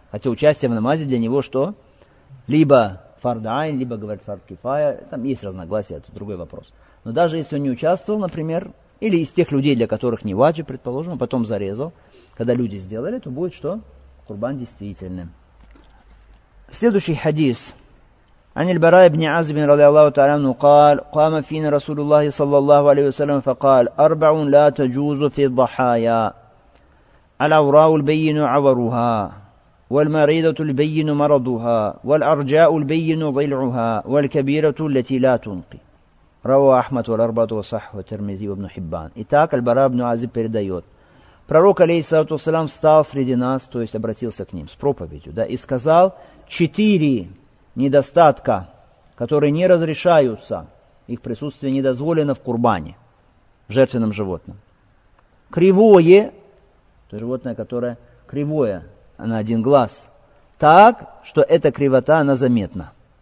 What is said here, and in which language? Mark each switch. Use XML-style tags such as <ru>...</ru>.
<ru>Хотя участие в намазе для него что? Либо фардайн, либо, говорит, фардкифая. Там есть разногласия, это другой вопрос. Но даже если он не участвовал, например, или из тех людей, для которых не ваджи, предположим, а потом зарезал, когда люди сделали, то будет что? Курбан действительным. Следующий хадис.</ru> <ar>عن البراء بن عازب رضي الله تعالى عنه قال قام فينا رسول الله صلى الله عليه وسلم فقال أربع لا تجوز في الضحايا العوراء البين عورها والمريضة البين مرضها والأرجاء البين ضلعها والكبيرة التي لا تنقي رواه أحمد والأربعة وصححه الترمذي وابن حبان.</ar> <ru>Итак, البراء بن عازب передает. Пророк, алейхиссалату вассалям, встал среди нас, то есть обратился к ним с проповедью, да, и сказал четыре недостатка, которые не разрешаются, их присутствие не дозволено в курбане, в жертвенном животном. Кривое, то животное, которое кривое на один глаз, так, что эта кривота, она заметна.</ru>